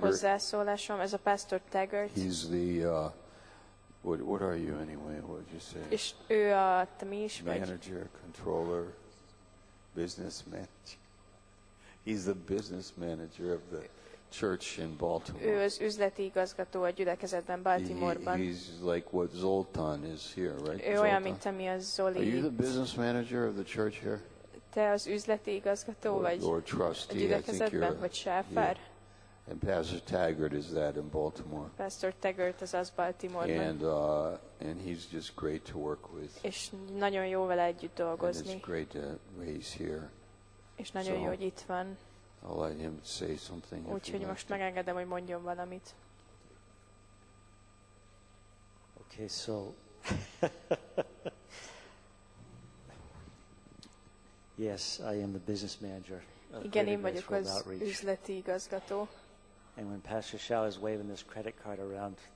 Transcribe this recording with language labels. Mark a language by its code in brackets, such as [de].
[hu] Hozzászólásom. Ez a Pastor Taggart. [en] He's the what are you anyway? What would you say? [hu] És ő a te mi is vagy? [en] Manager, controller, business manager. He's the business manager of the church in Baltimore. [hu] Ő az üzleti igazgató a gyülekezetben Baltimoreban. [en] He's like what Zoltán is here, right? [hu] Ő olyan, mint ami a Zoli. [en] Are you the business manager of the church here? [hu] Te az üzleti igazgató vagy? [en] Or trustee, [hu] a gyülekezetben, vagy sáfár? [en] Yeah. And Pastor Taggart is that in Baltimore. [hu] Pastor Taggart az az Baltimoreban. [en] And he's just great to work with. [hu] És nagyon jó vele együtt dolgozni. [en] And it's great to raise here. [hu] És nagyon jó, hogy itt van. [en] I'll let him say something. [hu] Úgyhogy most megengedem, hogy mondjon valamit. [en] Okay, so Yes, I am the business manager. Igen, én vagyok az üzleti igazgató. And when Pastor Schell is waving this credit card around,